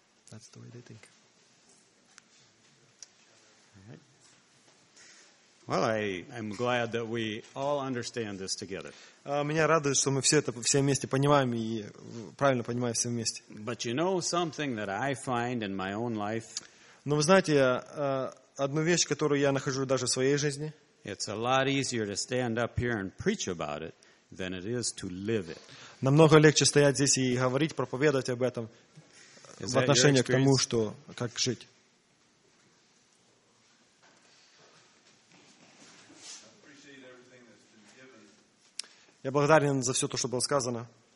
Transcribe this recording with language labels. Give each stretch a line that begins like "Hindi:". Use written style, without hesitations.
English: That's the way they think. Well, I'm glad that we all understand this together.
Russian: Меня радует, что мы все это все вместе понимаем и правильно понимаем все вместе.
English: But you know something that I find in my own life?
Russian: Но вы знаете одну вещь, которую я нахожу даже в своей жизни?
English: It's a lot easier to stand up here and preach about it than it is to live it.
Russian: Намного легче стоять здесь
Ukrainian: і говорити, проповідувати
Russian: об этом в отношении к тому, что как жить. Я благодарен за все то, что было сказано.